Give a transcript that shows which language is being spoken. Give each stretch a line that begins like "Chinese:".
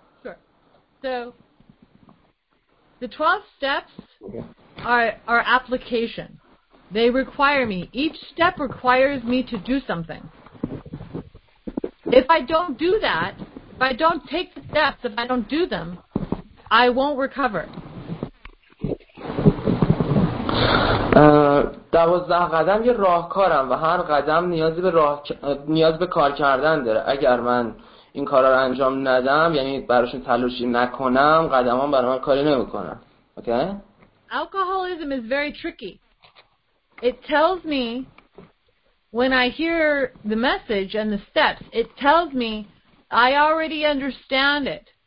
English: Sure. So, the 12 steps are application. They require me. Each step requires me to do something. If I don't do that, if I don't take the steps, if I don't do them, I won't recover.
Persian: دوازده قدم یه راهکارم و هر قدم نیاز به کار کردن داره. اگر من این کارا رو انجام ندم، یعنی براشون تلاشی نکنم، قدمام برام کاری نمی‌کنن. اوکی؟
English: alcoholism is very tricky. It tells me, when I hear the message and the steps, it tells me I already understand it.